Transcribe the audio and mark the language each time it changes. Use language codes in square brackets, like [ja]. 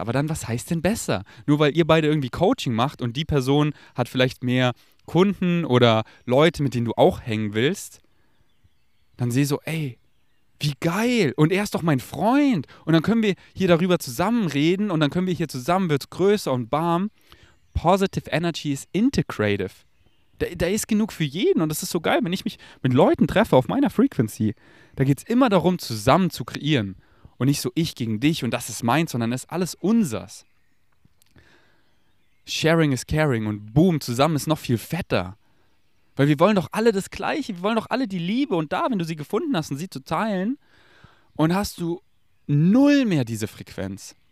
[de] Aber dann, was heißt denn besser? Nur weil ihr beide irgendwie Coaching macht und die Person hat vielleicht mehr Kunden oder Leute, mit denen du auch hängen willst, dann seh so, ey, wie geil, und er ist doch mein Freund. Und dann können wir hier darüber zusammen reden und dann können wir hier zusammen, wird es größer und bam. [en] Positive Energy is integrative. [de] Da ist genug für jeden und das ist so geil, wenn ich mich mit Leuten treffe auf meiner Frequency, da geht es immer darum, zusammen zu kreieren und nicht so ich gegen dich und das ist meins, sondern das ist alles unsers. [en] Sharing is caring [de] und boom, zusammen ist noch viel fetter. Weil wir wollen doch alle das Gleiche, wir wollen doch alle die Liebe und da, wenn du sie gefunden hast und sie zu teilen, und hast du null mehr diese Frequenz.